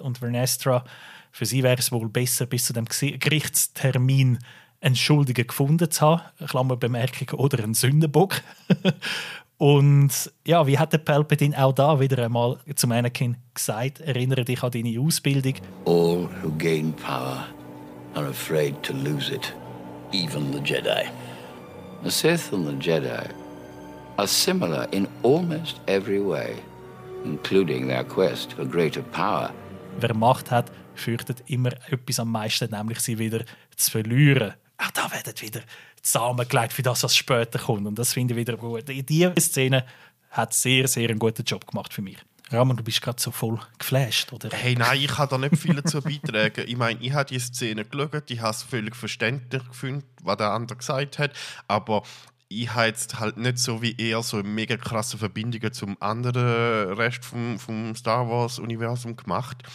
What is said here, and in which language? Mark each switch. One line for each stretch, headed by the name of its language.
German: Und Vernestra, für sie wäre es wohl besser, bis zu dem Gerichtstermin einen Schuldigen gefunden zu haben. Klammerbemerkung, oder einen Sündenbock. Und ja, wie hat der Palpatine auch da wieder einmal zu Anakin gesagt? Erinnere dich an deine Ausbildung.
English: All who gain power are afraid to lose it, even the Jedi. The Sith and the Jedi are similar in almost every way, including their quest for greater power.
German: Wer Macht hat, fürchtet immer etwas am meisten, nämlich sie wieder zu verlieren. Auch da werden wieder zusammengelegt für das, was später kommt. Und das finde ich wieder gut. Diese Szene hat sehr, sehr einen guten Job gemacht für mich. Ramon, du bist gerade so voll geflasht, oder? Hey, nein, ich habe da nicht viel dazu beitragen. Ich meine, ich habe die Szene geschaut, ich habe es völlig verständlich gefunden, was der andere gesagt hat, aber ich habe jetzt halt nicht so wie er so eine mega krasse Verbindung zum anderen Rest vom Star Wars-Universum gemacht.